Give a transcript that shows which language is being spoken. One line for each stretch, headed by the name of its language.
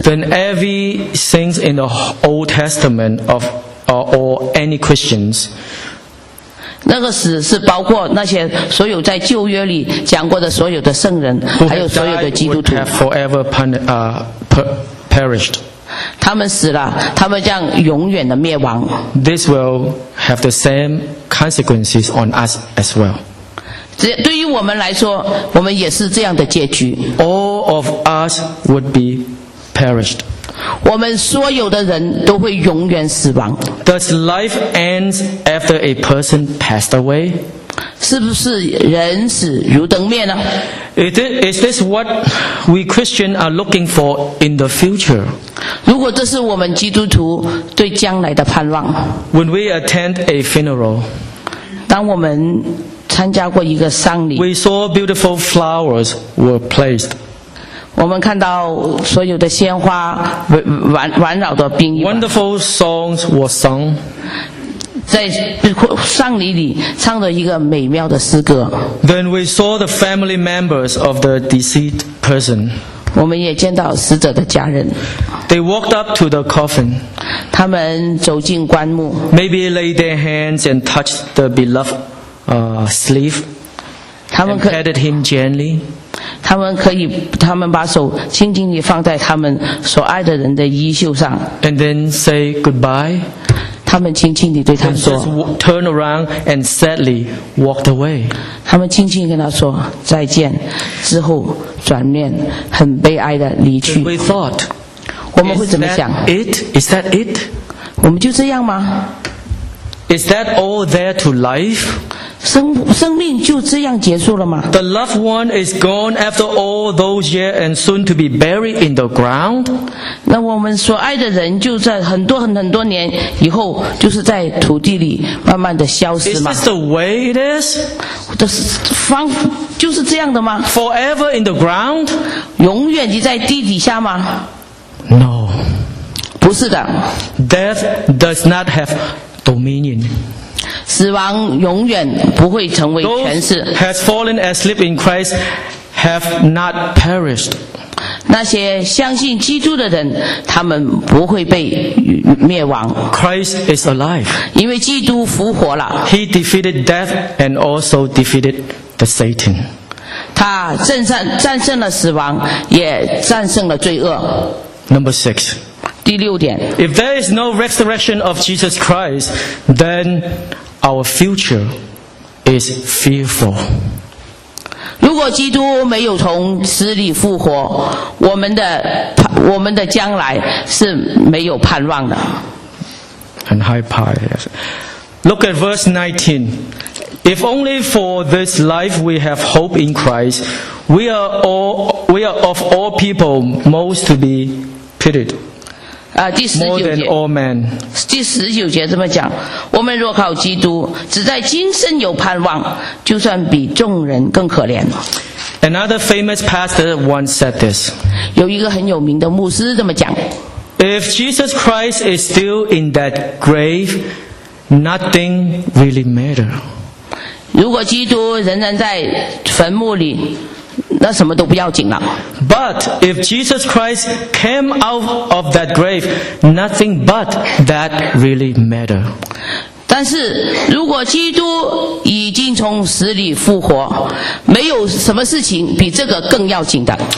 English: Then every saint in the Old Testament of, or any Christians,
Chinese: 那个死是包括那些所有在旧约里讲过的所有的圣人，还有所有的基督徒。
English: Who have died would have forever perished.
Chinese: 他们死了，他们将永远的灭亡。
English: This will have the same consequences on us as well.
Chinese: 对于我们来说，我们也是这样的结局。
English: All of us would be perished.
Chinese: 我们所有的人都会永远死亡。
English: Does life end after a person passed away?
Chinese: 是不是人死如灯灭呢？
English: Is this what we Christians are looking for in the future?
Chinese: 如果这是我们基督徒对将来的盼望。
English: When we attend a funeral,
Chinese: 当我们参加过一个丧礼，
English: We saw beautiful flowers were placed.
Chinese: 我们看到所有的鲜花环绕着殡仪馆。
English: Wonderful songs were sung.
Chinese: 在丧礼里唱着一个美妙的诗歌。
English: Then we saw the family members of the deceased person.
Chinese: 我们也见到死者的家人。
English: They walked up to the coffin.
Chinese: 他们走进棺木。
English: Maybe laid their hands and touched the beloved sleeve.
Chinese: 他们可以
English: and patted him gently.
Chinese: 他们把手轻轻地放在他们所爱的人的衣袖上。
English: And then say goodbye.
Chinese: 他们轻轻地对他说。
English: And just turn around and sadly walked away. 他们轻轻跟他说再见之后。
Chinese: 转念很悲哀的离去。
English: We thought,
Chinese: 我们会怎么想？
English: Is that it?
Chinese: 我们就这样吗？
English: Is that all there to life?
Chinese: 生命就这样结束了吗？
English: The loved one is gone after all those years and soon to be buried in the ground.
Chinese: 那我们所爱的人就在很多很多年以后就是在土地里慢慢的消失吗？
English: Is this the way it is?
Chinese: 这方就是这样的吗？
English: Forever in the ground?
Chinese: 永远地在地底下吗？
English: No.
Chinese: 不是的。
English: Death does not have dominion.
Chinese: 死亡永远不会成为权势。
English: Those has fallen asleep in Christ have not perished.
Chinese: 那些相信基督的人，他们不会被灭亡。
English: Christ is alive.
Chinese: 因为基督复活了。
English: He defeated death and also defeated the Satan.
Chinese: 他战胜了死亡，也战胜了罪恶。
English: Number six.
Chinese: 第六点,
English: if there is no resurrection of Jesus Christ, then our future is fearful.
Chinese: 如果基督没有从死里复活, 我们的将来是没有盼望的。
English: And high power, yes. Look at verse 19. If only for this life we have hope in Christ, we are of all people most to be pitied. More than all men.
Chinese: 第十九节这么讲，我们若靠基督，只在今生有盼望，就算比众人更可怜。
English: Another famous pastor once said this.
Chinese: 有一个很有名的牧师这么讲。
English: If Jesus Christ is still in that grave, nothing really matters.
Chinese: 如果基督仍然在坟墓里。那什么都不要紧了。
English: But if Jesus Christ came out of that grave, nothing but that really matter.
Chinese: 但是如果基督已经从死里复活，没有什么事情比这个更要紧的。